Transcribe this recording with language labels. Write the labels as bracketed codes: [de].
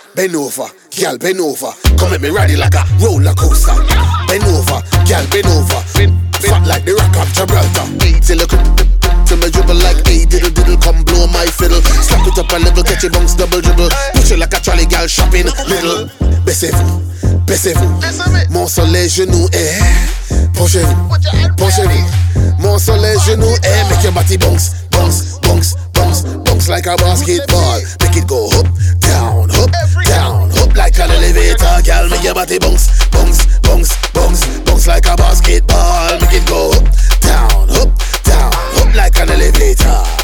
[en] Bend over, girl, bend over, come at me ready like a roller coaster. Bend over, girl, bend over, bend, fat like the rock of Gibraltar. Till you till me dribble like a diddle diddle, come blow my fiddle. Slap it up a level, catch it bounce, double dribble. Push it like a trolley, girl, shopping little. [fr] Baissez-vous, baissez-vous, mon soleil, genou, eh. Penchez-vous, penchez-vous, mon soleil, genou, eh. [en] Make your body bounce, bounce, bounce, bounce, bounce like a basketball. Make it go up, down, up, down, up like an elevator, girl. Make your body bounce, bounce, bounce, bounce, bounce like a basketball. Make it go up, down, up, like an elevator.